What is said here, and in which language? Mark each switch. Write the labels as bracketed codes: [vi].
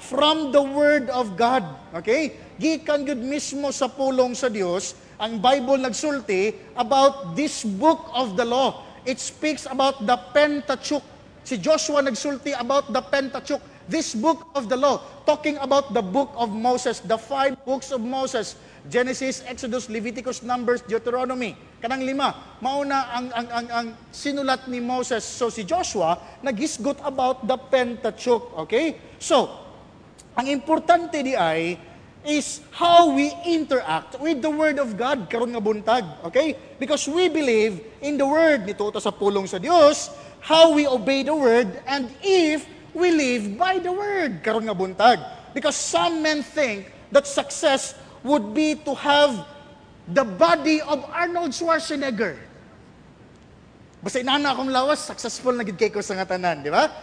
[en] From the word of God, okay? [ceb] Gikan gud mismo sa pulong sa Dios ang Bible nagsulti [en] about this book of the law. It speaks about the Pentateuch. [ceb] Si Joshua nagsulti [en] about the Pentateuch, this book of the law, talking about the book of Moses, the five books of Moses, Genesis, Exodus, Leviticus, Numbers, Deuteronomy. [ceb] Kanang lima, mauna ang sinulat ni Moses. So si Joshua nagisgot [en] about the Pentateuch, okay? [ceb] So, Ang importante di ay [en] is how we interact with the Word of God [ceb] karon nga buntag, [en] okay? Because we believe in the Word [ceb] nituto sa pulong sa Dios, [en] how we obey the Word, and if we live by the Word [ceb] karon nga buntag. [en] Because some men think that success would be to have the body of Arnold Schwarzenegger. [ceb] Basta inana akong lawas, successful na gid kay ko sa nga tanan, di ba?